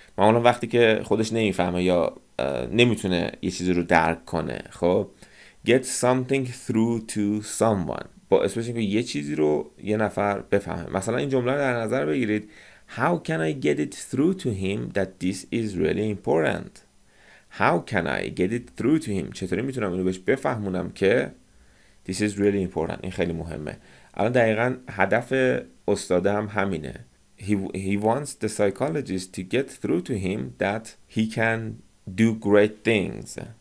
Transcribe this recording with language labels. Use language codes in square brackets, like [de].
[fa] معمولا وقتی که خودش نمیفهمه یا نمیتونه یه چیزی رو درک کنه. خب [en] get something through to someone [fa] با اسمش اینکه یه چیزی رو یه نفر بفهمه. مثلا این جمله رو در نظر بگیرید. [en] How can I get it through to him that this is really important? How can I get it through to him? [fa] چطوری میتونم اینو بهش بفهمونم که [en] this is really important، [fa] این خیلی مهمه. الان دقیقا هدف استاده هم همینه. [en] He wants the psychologist to get through to him that he can do great things.